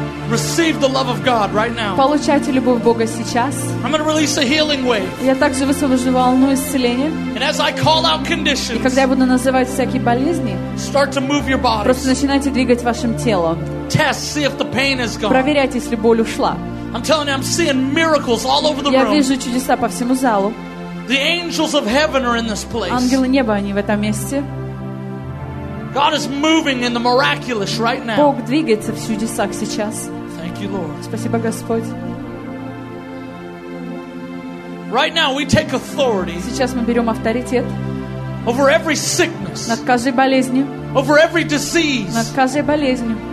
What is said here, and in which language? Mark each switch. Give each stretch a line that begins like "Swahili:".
English: Receive the love of God right now.
Russian: Получайте любовь Бога сейчас.
English: I'm going to release a healing wave.
Russian: Я также высвобожу волну исцеления.
English: And as I call out conditions,
Russian: и когда я буду называть всякие болезни,
English: start to move your body.
Russian: Просто начинайте двигать вашим телом.
English: Test, see if the pain is gone.
Russian: Проверяйте, если боль ушла.
English: I'm telling you, I'm seeing miracles all over the room.
Russian: Я вижу чудеса по всему залу.
English: The angels of heaven are in this place.
Russian: Ангелы неба, они в этом месте.
English: God is moving in the miraculous right now.
Russian: Бог двигается в чудесах сейчас.
English: Thank you, Lord.
Russian: Спасибо, Господь.
English: Right now we take authority.
Russian: Сейчас мы берем авторитет.
English: Over every sickness.
Russian: Над каждой болезнью.
English: Over every disease.
Russian: Над каждой болезнью.